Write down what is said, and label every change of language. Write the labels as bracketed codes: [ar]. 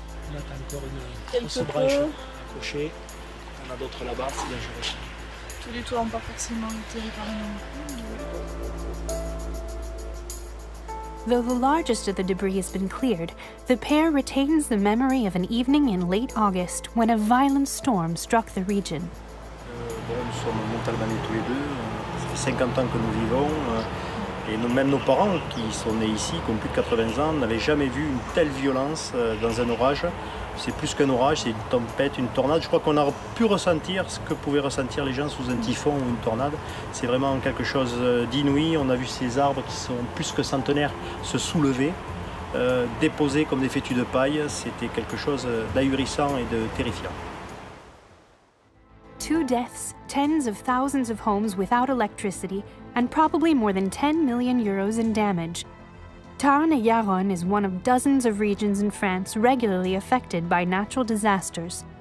[en] Though the largest of the debris has been cleared, the pair retains the memory of an evening in late August when a violent storm struck the region. [fr] Nous sommes montalbanais tous les deux, ça fait 50 ans que nous vivons, et même nos parents qui sont nés ici, qui ont plus de 80 ans, n'avaient jamais vu une telle violence dans un orage. C'est plus qu'un orage, c'est une tempête, une tornade. Je crois qu'on a pu ressentir ce que pouvaient ressentir les gens sous un typhon ou une tornade. C'est vraiment quelque chose d'inouï. On a vu ces arbres qui sont plus que centenaires se soulever, déposer comme des fétus de paille. C'était quelque chose d'ahurissant et de terrifiant. [en] Two deaths, tens of thousands of homes without electricity, and probably more than 10 million euros in damage. Tarn-et-Garonne is one of dozens of regions in France regularly affected by natural disasters.